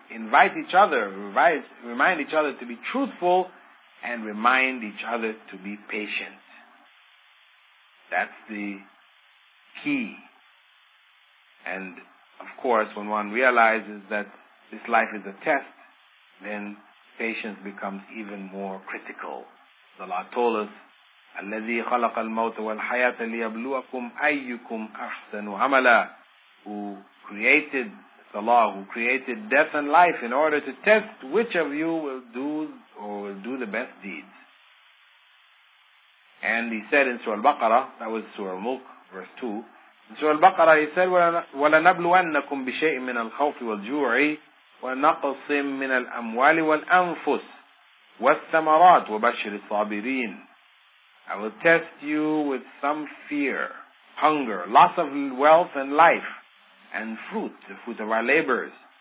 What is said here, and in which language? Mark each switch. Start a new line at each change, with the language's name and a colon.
English: Invite each other, remind each other to be truthful, and remind each other to be patient. That's the key. And of course, when one realizes that this life is a test, then patience becomes even more critical. Allah told us,
Arabic: الَّذِي خَلَقَ الْمَوْتَ وَالْحَيَاةَ لِيَبْلُوَكُمْ أَيُّكُمْ أَحْسَنُ عَمَلًا.
English: Who created the law, who created death and life in order to test which of you will do the best deeds. And he said in Surah Al-Baqarah, that was Surah Al-Mulk, verse 2, in Surah Al-Baqarah he said,
Arabic: وَلَنَبْلُوَنَّكُمْ بِشَيْءٍ مِّنَ الْخَوْفِ وَالْجُوعِ وَنَقْصٍ مِّنَ الْأَمْوَالِ وَالْأَنفُسِ وَالثَّمَرَاتِ وَبَشِّرِ الصَّابِرِينَ.
English: I will test you with some fear, hunger, loss of wealth and life, and fruit, the fruit of our labors.